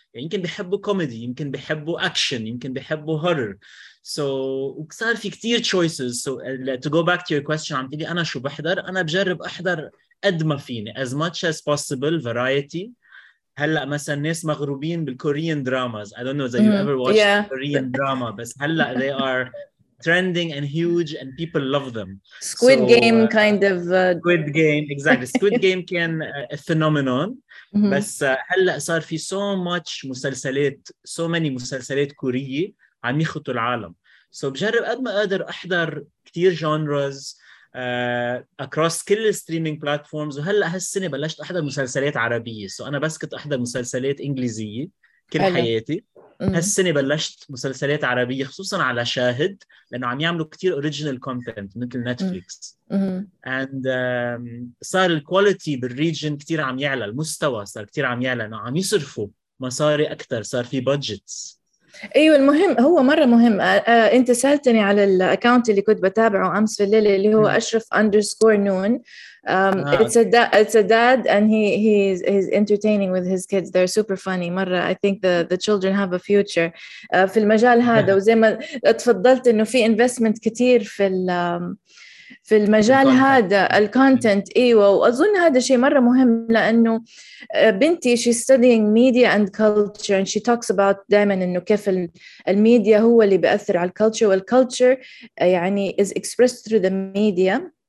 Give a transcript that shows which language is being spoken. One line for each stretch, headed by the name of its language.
Arabic: يعني يمكن بيحبوا كوميدي، يمكن بيحبوا أكشن، يمكن بيحبوا هورر. So وصار في كتير choices.
English: So to go back to your question،
Arabic: عم تقولي أنا شو بحضر؟ أنا بجرب أحضر قد ما فيني
English: as much as possible variety.
Arabic: هلأ مثلاً ناس مغروبين بالكوريان دراماز.
English: I don't know if you ever watched Korean drama.
Arabic: بس هلأ
English: they are trending and huge and people love them. Squid Game kind of... Squid Game, exactly. Squid Game can a phenomenon.
Arabic: بس هلأ صار في
English: so much
Arabic: مسلسلات,
English: so many
Arabic: مسلسلات كورية عم يخطوا العالم. So بجرب قد ما قادر أحضر كتير genres across كل streaming platforms. وهلأ هالسنة بلشت أحضر مسلسلات عربية. so أنا بس كنت أحضر مسلسلات إنجليزية كل حياتي. هالسنة بلشت مسلسلات عربية خصوصا على شاهد، لأنه عم يعملوا كتير original content مثل Netflix. and صار الكواليتي بالريجن كتير عم يعلى، المستوى صار كتير عم يعلى، أنه عم يصرفوا مصاري أكتر، صار في budgets. أيوة المهم هو مرة مهم. أنت سألتني على الأكاونت اللي كنت بتابعه أمس في الليلة اللي هو أشرف underscore noon.
English: It's a dad and he's entertaining with his kids. They're super funny.
Arabic: مرة
English: I think the children have a future
Arabic: في المجال هذا. وزي ما اتفضلت إنه في investment كتير في في المجال هذا الكونتنت. ايوه واظن هذا شيء مره مهم، لانه بنتي
English: she studying media and culture and she talks about
Arabic: دائما انه كيف الميديا هو اللي بيأثر على الكالتشر، والكالتشر يعني
English: is expressed through the media.